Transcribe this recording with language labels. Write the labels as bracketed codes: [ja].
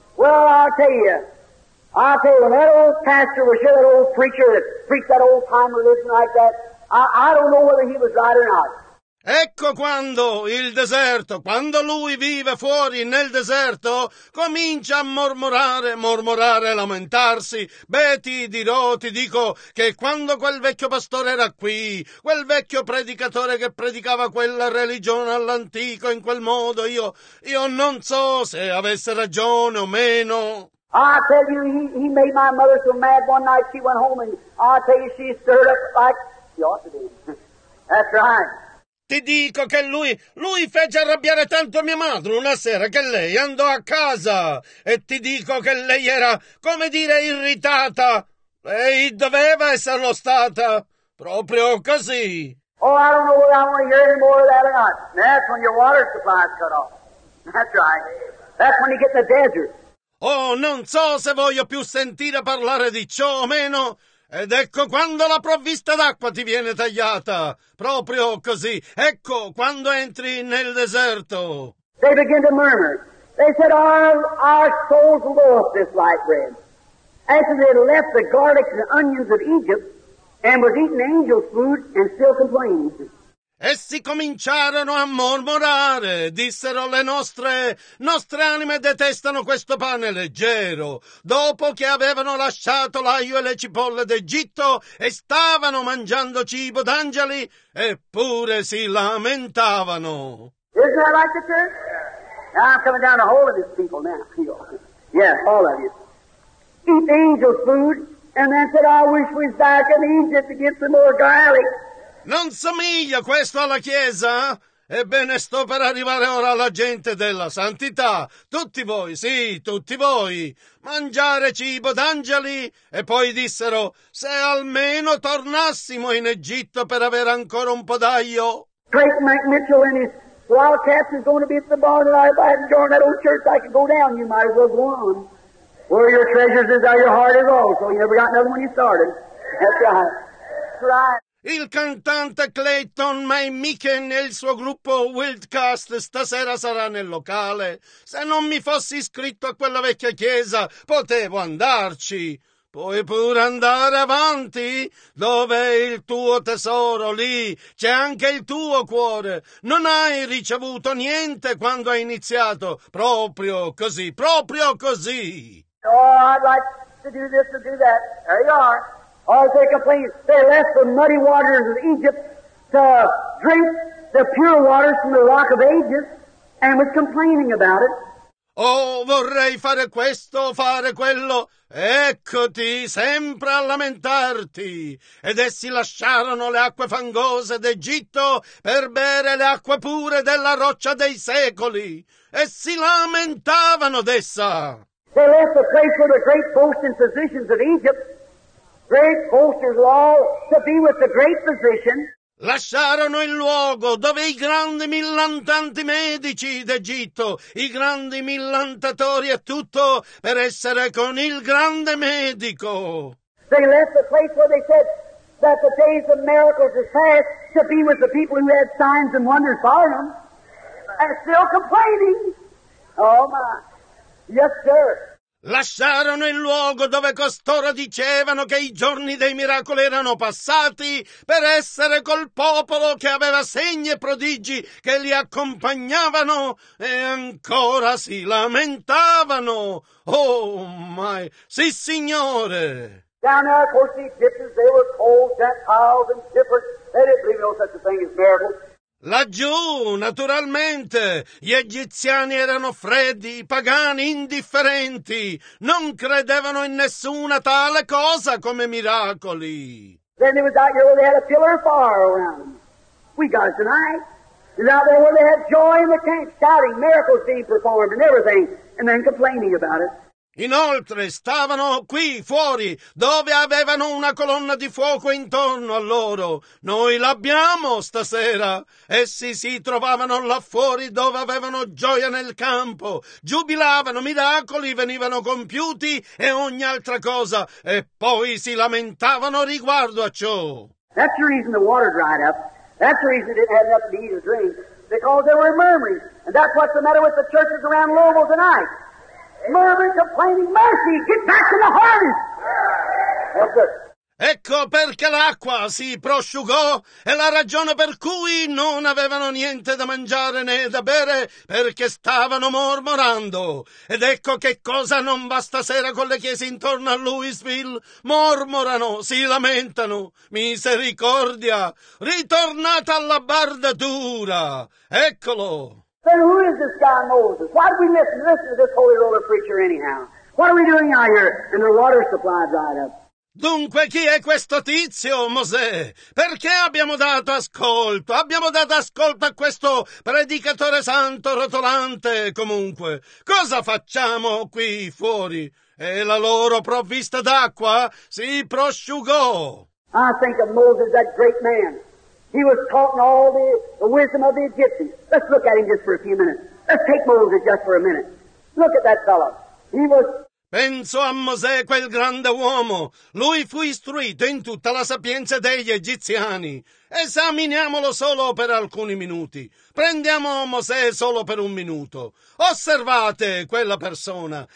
[en] Well, I'll tell you, when that old pastor was sure, that old preacher that preached that old time religion like that, I don't know whether he was right or not. [it] Ecco quando il deserto, quando lui vive fuori nel deserto, comincia a mormorare, lamentarsi. Beh, ti dirò, ti dico, che quando quel vecchio pastore era qui, quel vecchio predicatore che predicava quella religione all'antico in quel modo, io non so se avesse ragione o meno. [en] I tell you, he made my mother so mad one night she went home and I tell you, she stirred up like she ought to be. That's right. [it] Ti dico che lui fece arrabbiare tanto mia madre una sera che lei andò a casa e ti dico che lei era, come dire, irritata. Lei doveva esserlo stata, proprio così. [en] Oh, I don't know whether I want to hear any more of that or not. That's when your water supply is cut off. That's right. That's when you get in the desert. [it] Oh, non so se voglio più sentire parlare di ciò o meno. Ed ecco quando la provvista d'acqua ti viene tagliata, proprio così. Ecco quando entri nel deserto. [en] They begin to murmur. They said, our souls lost this light bread. After they left the garlic and onions of Egypt and was eating angel food and still complained. [it] Essi cominciarono a mormorare, dissero le nostre anime detestano questo pane leggero, dopo che avevano lasciato l'aglio e le cipolle d'Egitto e stavano mangiando cibo d'angeli, eppure si lamentavano. [en] Isn't that right, sir? Now I'm coming down to all of these people now. Yes, all of you. Eat angel food and then said, I wish we was back in Egypt to get some more garlic. [it] Non somiglia questo alla Chiesa? Ebbene, sto per arrivare ora alla gente della santità. Tutti voi, sì, tutti voi. Mangiare cibo d'angeli. E poi dissero, se almeno tornassimo in Egitto per avere ancora un po' d'aglio. [en] Great Mike Mitchell and his Wildcats is going to be at the barn and I hadn't joined that old church. I could go down, you might as well go on. Where your treasures is, are your heart is all. So you never got another when you started. That's right. That's right. [it] Il cantante Clayton May Micken e il suo gruppo Wildcast stasera sarà nel locale. Se non mi fossi iscritto a quella vecchia chiesa, potevo andarci. Puoi pure andare avanti? Dov'è il tuo tesoro? Lì c'è anche il tuo cuore. Non hai ricevuto niente quando hai iniziato. Proprio così, proprio così. [en] Oh, I'd like to do this and do that. There you are. Or they complained, they left the muddy waters of Egypt to drink the pure waters from the rock of ages and was complaining about it. [it] Oh, vorrei fare questo, fare quello. Eccoti, sempre a lamentarti. Ed essi lasciarono le acque fangose d'Egitto per bere le acque pure della roccia dei secoli. E si lamentavano d'essa. [en] They left the place where the great boasting physicians of Egypt. Great boasters all to be with the great physician. [it] Lasciarono il luogo dove i grandi millantanti medici d'Egitto, i grandi millantatori e tutto per essere con il grande medico. [en] They left the place where they said that the days of miracles are past to be with the people who had signs and wonders for them. And still complaining. Oh my. Yes, sir. [it] Lasciarono il luogo dove costoro dicevano che i giorni dei miracoli erano passati per essere col popolo che aveva segni e prodigi che li accompagnavano e ancora si lamentavano. Oh, my! Sì, signore! [en] Down there, of course, the Egyptians, they were cold, Gentiles, and different. They didn't believe no such a thing as miracles. [it] Laggiù, naturalmente, gli egiziani erano freddi, pagani, indifferenti. Non credevano in nessuna tale cosa come miracoli. [en] Then it was out here where they had a pillar of fire around them. We got it tonight. It was out there where they had joy in the camp, shouting, miracles being performed and everything, and then complaining about it. [it] Inoltre, stavano qui, fuori, dove avevano una colonna di fuoco intorno a loro. Noi l'abbiamo stasera. Essi si trovavano là fuori, dove avevano gioia nel campo. Giubilavano, miracoli venivano compiuti e ogni altra cosa. E poi si lamentavano riguardo a ciò. [en] That's the reason the water dried up. That's the reason it didn't have enough to eat and drink. Because there were murmurs. And that's what's the matter with the churches around Louisville tonight. Murmuring, complaining, mercy! Get back in the harness! Yes, sir. [it] Ecco perché l'acqua si prosciugò e la ragione per cui non avevano niente da mangiare né da bere perché stavano mormorando. Ed ecco che cosa non va stasera con le chiese intorno a Louisville. Mormorano, si lamentano. Misericordia, ritornata alla barda dura. Eccolo. [en] Then who is this guy Moses? Why do we listen to this holy roller preacher anyhow? What are we doing out here? And the water supply dried up. [it] Dunque, chi è questo tizio, Mosè? Perché abbiamo dato ascolto? Abbiamo dato ascolto a questo predicatore santo rotolante, comunque. Cosa facciamo qui fuori? E la loro provvista d'acqua si prosciugò. [en] I think of Moses, that great man. He was taught in all the wisdom of the Egyptians. Let's look at him just for a few minutes. Let's take Moses just for a minute. Look at that fellow. He was... [it] Penso a Mosè, quel grande uomo. Lui fu istruito in tutta la sapienza degli egiziani. Esaminiamolo solo per alcuni minuti. Prendiamo Mosè solo per un minuto. Osservate quella persona.